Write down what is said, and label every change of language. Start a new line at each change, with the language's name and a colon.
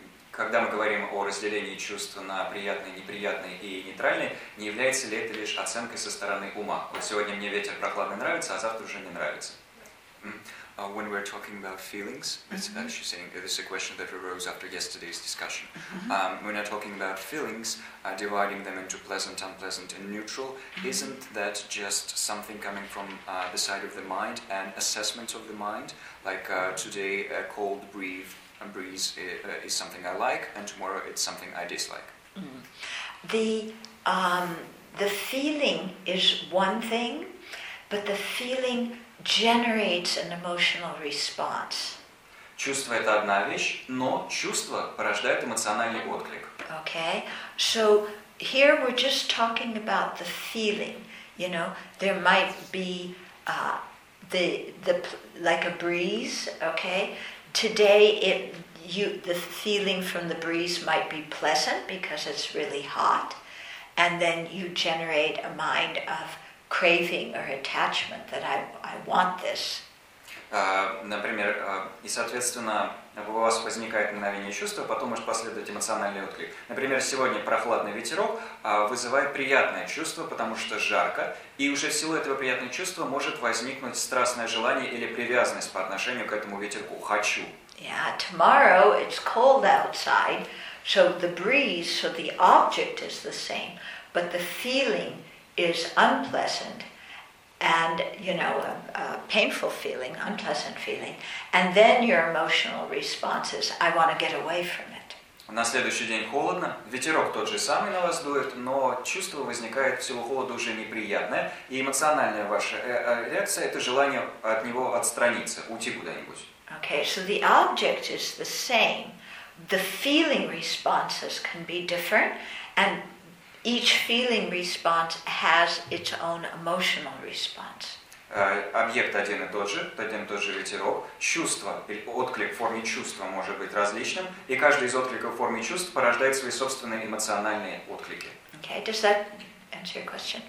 Russian: Когда мы говорим о разделении чувств на приятные, неприятные и нейтральные, не является ли это лишь оценкой со стороны ума? Вот сегодня мне ветер прохладный нравится, а завтра уже не нравится.
English: When we're talking about feelings, she's saying this is a question that arose after yesterday's discussion. When we're talking about feelings, dividing them into pleasant, unpleasant, and neutral, isn't that just something coming from the side of the mind and assessment of the mind? Like today, a cold breeze is something I like, and tomorrow it's something I dislike. The feeling is one thing, but the feeling generates an emotional response.
Russian: Чувство — это одна вещь, но чувство порождает эмоциональный отклик.
English: Okay, so here we're just talking about the feeling. You know, there might be the like a breeze. Okay, today the feeling from the breeze might be pleasant because it's really hot, and then you generate a mind of craving or attachment that I want this.
Russian: Например, и соответственно у вас возникает мгновение чувства, потом может последовать эмоциональный отклик. Например, сегодня прохладный ветерок вызывает приятное чувство, потому что жарко, и уже в силу этого приятного чувства может возникнуть страстное желание или привязанность по отношению к этому ветерку. Хочу.
English: Yeah, tomorrow it's cold outside, so the breeze, so the object is the same, but the feeling is unpleasant, and you know, a painful feeling, unpleasant feeling, and then your emotional response is, I want to get away from it.
Russian: На следующий день холодно, ветерок тот же самый на вас дует, но чувство возникает в силу холода уже неприятное, и эмоциональная ваша реакция – это желание от него отстраниться, уйти куда-нибудь.
English: Okay, so the object is the same, the feeling responses can be different, and each feeling response has its own emotional response.
Russian: Объект один и тот же ветерок. Чувство, отклик в форме чувства может быть различным, и каждый из откликов в форме чувств порождает свои собственные эмоциональные отклики.
English: Okay, does that answer your question?